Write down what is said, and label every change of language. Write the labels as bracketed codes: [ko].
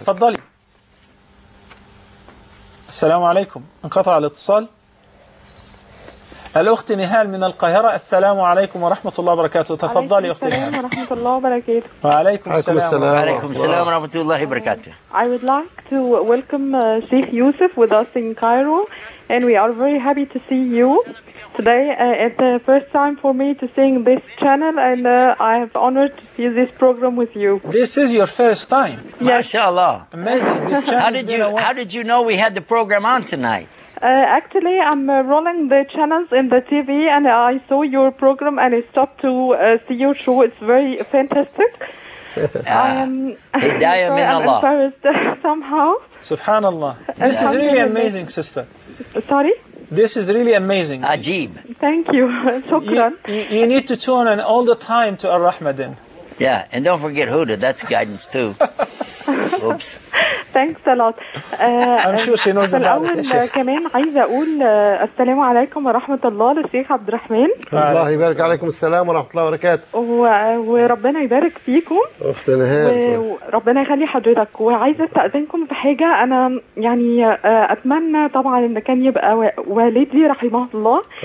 [ar] تفضلي. السلام عليكم. انقطع الاتصال. الأخت نهال من القاهرة. السلام عليكم ورحمة الله وبركاته. تفضلي أختي نهال. السلام ورحمة الله وبركاته. وعليكم السلام. السلام. وعليكم السلام ورحمة الله وبركاته. [en] I would like to welcome Sheikh Yusuf with us in Cairo, and we are very happy to see you today. It's the first time for me to sing this channel, and I have honored to see this program with you. This is your first time. Yes. MashaAllah. Amazing. This channel. How did you know we had the program on tonight? Actually, I'm rolling the channels in the TV, and I saw your program, and I stopped to see your show. It's very fantastic. [ar] Hidayah min Allah. [en] I'm embarrassed somehow. [ar] Subhanallah. [en] This is really amazing, sister. Sorry? This is really amazing. [ar] Ajib. [en] Thank you. Shukran. You need to tune in all the time to Ar-Rahmadin. Yeah, and don't forget Huda. That's guidance too. Oops. Thanks a lot. I'm sure she knows about it. [ar] الأول كمان عايزة أقول السلام عليكم ورحمة الله للشيخ عبد الرحمن. الله يبارك عليكم. السلام ورحمة الله وبركاته. وربنا يبارك فيكم. أختنا هاني. وربنا يخلي حضرتك. وعايزة أستأذنكم في حاجة. أنا يعني أتمنى طبعا إن كان يبقى والدي رحمه الله.